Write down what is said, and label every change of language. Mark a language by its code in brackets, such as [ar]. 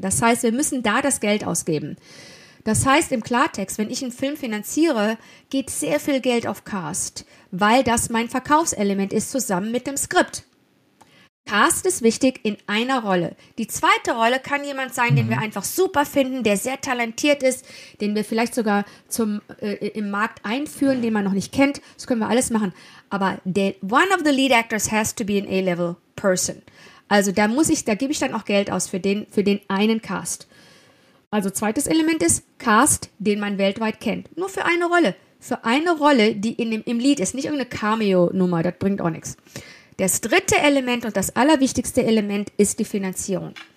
[de] Das heißt, wir müssen da das Geld ausgeben. Das heißt im Klartext, wenn ich einen Film finanziere, geht sehr viel Geld auf Cast, weil das mein Verkaufselement ist zusammen mit dem Skript. Cast ist wichtig in einer Rolle. Die zweite Rolle kann jemand sein, den wir einfach super finden, der sehr talentiert ist, den wir vielleicht sogar im Markt einführen, den man noch nicht kennt. Das können wir alles machen. [en] Aber one of the lead actors has to be an A-level person. [de] Also da gebe ich dann auch Geld aus für den einen Cast. Also zweites Element ist Cast, den man weltweit kennt. Nur für eine Rolle. Für eine Rolle, die im Lead ist. Nicht irgendeine Cameo-Nummer, das bringt auch nichts. Das dritte Element und das allerwichtigste Element ist die Finanzierung.